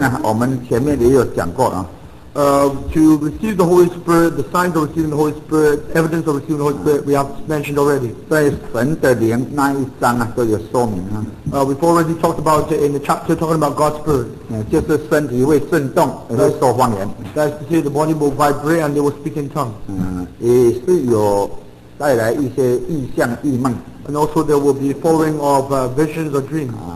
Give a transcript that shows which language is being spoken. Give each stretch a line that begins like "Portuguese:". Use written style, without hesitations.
Chinese: 这个受圣灵的特征啊，我们前面也有讲过啊。
English: To receive the Holy Spirit, the signs of receiving the Holy Spirit, evidence of receiving the Holy Spirit, we have mentioned already.
Chinese: 在神的灵那一章啊，都有说明啊。
English: We've already talked about it in the chapter talking about God's Spirit.
Chinese: 就是身体会震动，也会说方言。
English: That's to say the body will vibrate and they will speak in tongues.
Chinese: 也是有带来一些异象异梦。
English: And also there will be following of visions or dreams.